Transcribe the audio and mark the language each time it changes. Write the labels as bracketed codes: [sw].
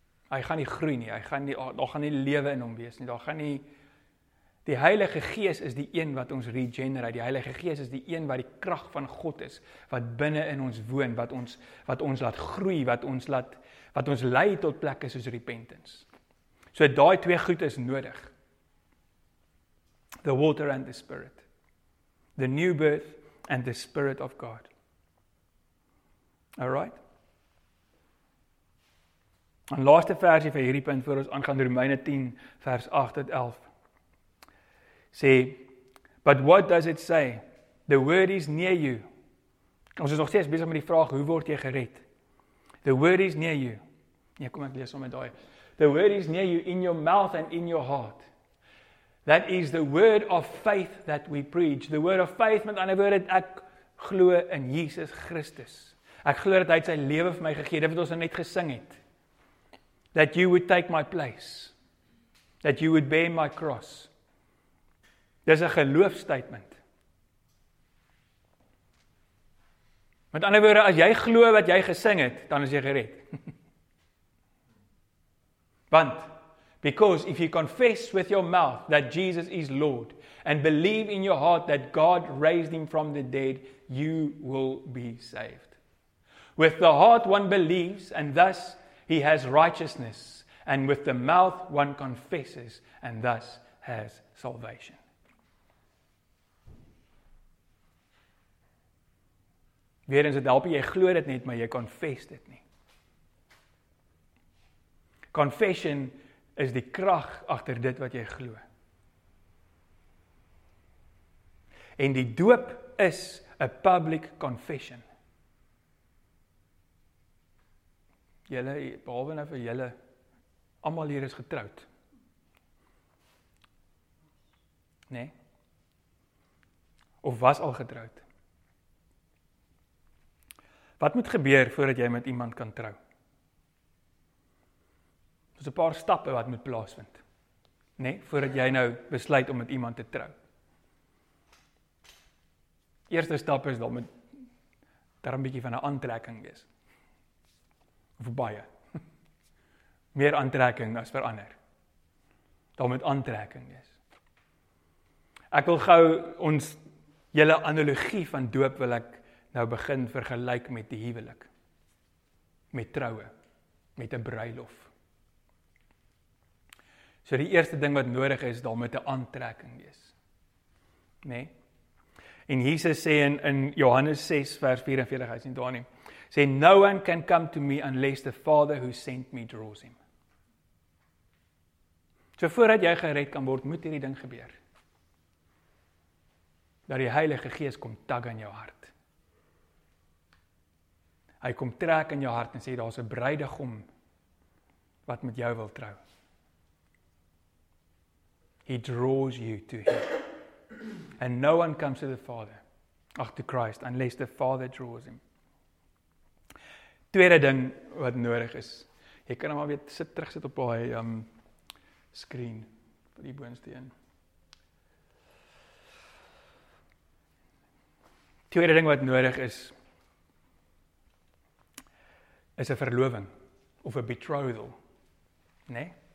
[af] Hy gaan nie groei nie, hy gaan nie, daar gaan nie lewe in hom wees nie, daar gaan nie, die Heilige Gees is die een wat ons regenerate, die Heilige Gees is die een wat die krag van God is, wat binne in ons woon, wat ons laat groei, wat ons lei tot plekke soos repentance. So daai twee goed is nodig. [en] The water and the spirit. The new birth and the spirit of God. Alright? [af] En laaste versie vir hierdie punt voor ons aangaan, Romeine 10 vers 8 tot 11. [en] Sê, but what does it say? The word is near you. [af] Ons is nog steeds besig met die vraag, hoe word jy gered? [en] The word is near you. [af] Nee, kom ek lees om met daai. [en] The word is near you in your mouth and in your heart. That is the word of faith that we preach. The word of faith, [af] met ander woorde, ek glo in Jesus Christus. Ek glo dat hy sy lewe vir my gegee het, wat ons net gesing het. [en] That you would take my place. That you would bear my cross. [af] Dis 'n geloofstatement. Met ander woorde, as jy glo wat jy gesing het, dan is jy gered. [en] Want, because if you confess with your mouth that Jesus is Lord and believe in your heart that God raised him from the dead, you will be saved. With the heart one believes and thus he has righteousness and with the mouth one confesses and thus has salvation. [af] Weer eens, het help jy glo dit net, maar jy confess dit nie. Confession is die krag agter dit wat jy glo. En die doop is [en] a public confession. [af] Julle, behalwe nou vir julle, almal hier is getroud. Nee? Of was al getroud? Wat moet gebeur voordat jy met iemand kan trou? Dis 'n paar stappe wat moet plaasvind. Nee, voordat jy nou besluit om met iemand te trou. Eerste stap is dan met daar 'n bietjie van 'n aantrekking wees. Of baie. Meer aantrekking as vir ander. Dan met aantrekking wees. Ek wil gou ons hele analogie van doop wil ek nou begin vergelyk met die huwelik, met troue, met 'n bruilof. So die eerste ding wat nodig is, daar moet 'n aantrekking wees. Nee? En Jesus sê in Johannes 6 vers 44, hy is nie daar nie, sê, [en] no one can come to me unless the Father who sent me draws him. [af] So voordat jy gered kan word, moet hierdie ding gebeur. Dat die Heilige Gees kom tag aan jou hart. Hy kom trek in jou hart en sê, daar is 'n bruidegom wat met jou wil trou. [en] He draws you to him. And no one comes to the Father, to Christ, unless the Father draws him. [af] Tweede ding wat nodig is, jy kan hom al weer terugsit op die screen, vir die boonste een. Tweede ding wat nodig is, is 'n verloving of 'n betrothal, nee?